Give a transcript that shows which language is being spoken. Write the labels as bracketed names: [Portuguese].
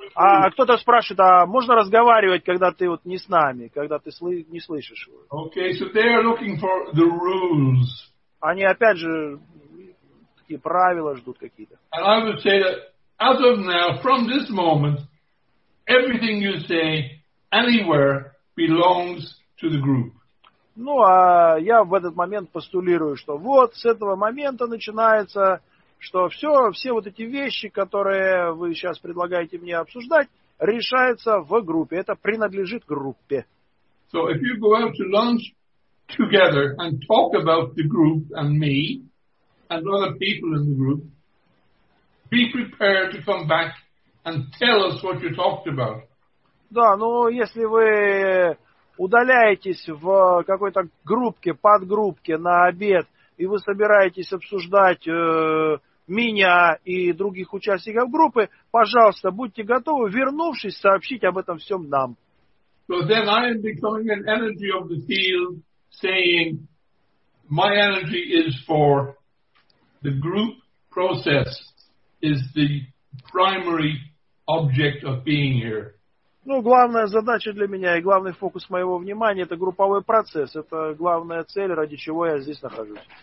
[Russian] А кто-то спрашивает, а можно разговаривать, когда ты вот не с нами, когда ты не слышишь? [English] Okay, so they are looking for the rules. [Russian] Они опять же такие правила ждут какие-то. [English] And I would say that as of now, from this moment, everything you say anywhere belongs to the group. [Russian] Ну, а я в этот момент постулирую, что вот с этого момента начинается, что все вот эти вещи, которые вы сейчас предлагаете мне обсуждать, решаются в группе. Это принадлежит группе. [English] So if you go out to lunch together and talk about the group and me and other people in the group, be prepared to come back and tell us what you talked about. [Russian] Да, ну если вы удаляетесь в какой-то группке, подгруппке на обед, и вы собираетесь обсуждать меня и других участников группы, пожалуйста, будьте готовы, вернувшись, сообщить об этом всем нам. [English] So then I am becoming an energy of the field, saying my energy is for the group process is the primary object of being here. [Russian] Ну, главная задача для меня и главный фокус моего внимания – это групповой процесс. Это главная цель, ради чего я здесь нахожусь.